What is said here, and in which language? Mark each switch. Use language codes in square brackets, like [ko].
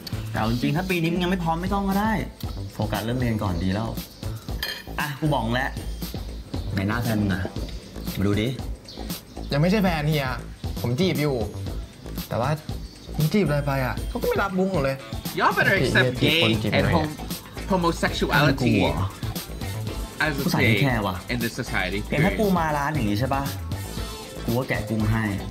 [th] แต่เอาจริงถ้าปีนี้มึงยังไม่พร้อมไม่ต้องก็ได้โฟกัสเรื่องเรียนก่อนดีแล้วอ่ะกูบอกแล้วในหน้าแฟนมึงอ่ะมาดูดิ ยังไม่ใช่แฟนเฮียผมจีบอยู่แต่ว่าจีบอะไรไปอ่ะเขาก็ไม่รับบุ้งเลย [en] Y'all better accept gay and homosexuality as a thing in this society. [th] แกถ้ากูมาร้านอย่างนี้ใช่ป่ะกูว่าแกกุ้งให้